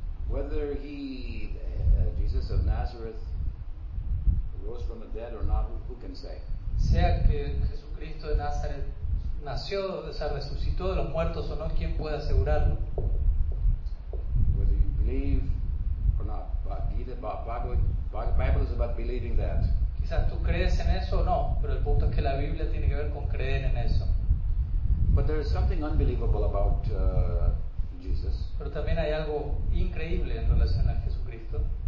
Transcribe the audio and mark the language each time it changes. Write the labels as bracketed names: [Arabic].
[English] Whether he, Jesus of Nazareth, rose from the dead or not, who can say? [Spanish] Sea que Jesucristo de Nazaret nació, o sea, resucitó de los muertos o no, ¿quién puede asegurarlo? [English] Whether you believe or not, Bible is about believing that. [Spanish] Quizás tú crees en eso o no, pero el punto es que la Biblia tiene que ver con creer en eso. [English] But there is something unbelievable about Jesus. [Spanish] Pero también hay algo increíble en relación a Jesucristo.